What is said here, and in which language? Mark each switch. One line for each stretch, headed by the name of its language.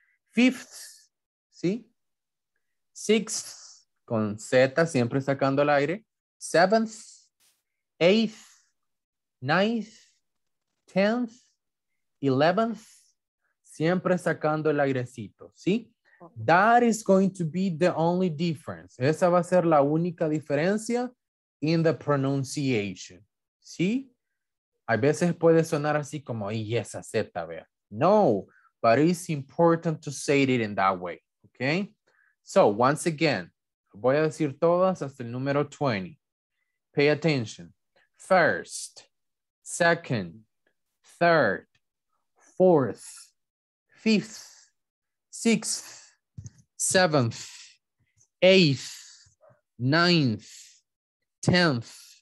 Spanish: Fifth, ¿sí? Sixth con Z, siempre sacando el aire. Seventh,
English: eighth, ninth, tenth, eleventh,
Spanish: siempre sacando el airecito, ¿sí?
English: That is going to be the only difference.
Spanish: Esa va a ser la única diferencia
English: in the pronunciation,
Spanish: ¿sí? A veces puede sonar así como, y esa Z, vea.
English: No, but it's important to say it in that way, okay? So, once again,
Spanish: voy a decir todas hasta el número 20.
English: Pay attention. First, second, third, fourth, fifth, sixth, seventh, eighth, ninth, tenth,